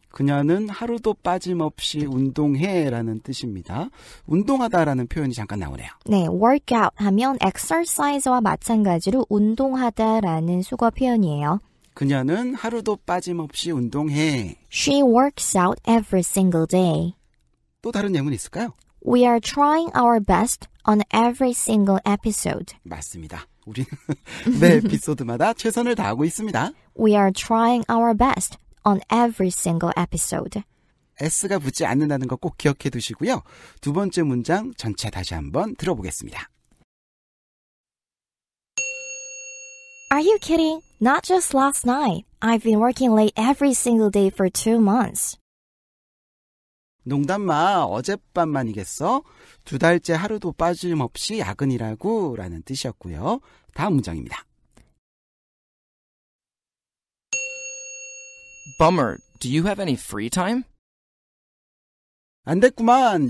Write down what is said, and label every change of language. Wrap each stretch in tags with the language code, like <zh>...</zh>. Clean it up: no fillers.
<ko>그녀는 하루도 빠짐없이 운동해라는 뜻입니다. 운동하다라는 표현이 잠깐 나오네요. 네, work out 하면 exercise와 마찬가지로 운동하다라는 수거 표현이에요. 그녀는 하루도 빠짐없이 운동해.</ko> <en>She works out every single day.</en> <ko>또 다른 예문이 있을까요?</ko> <en>We are trying our best on every single episode.</en> <ko>맞습니다. 우리는 매 에피소드마다 최선을 다하고 있습니다.</ko> <en>We are trying our best on every single episode.</en> <ko>S가 붙지 않는다는 거 꼭 기억해 두시고요. 두 번째 문장 전체 다시 한번 들어보겠습니다.</ko> <en>Are you kidding? Not just last night. I've been working late every single day for 2 months.</en> <ko>농담 마. 어젯밤만이겠어? 두 달째 하루도 빠짐없이 야근이라고 라는 뜻이었고요. 다음 문장입니다.</ko> <en>Bummer. Do you have any free time?</en> <ko>안 됐구만.</ko>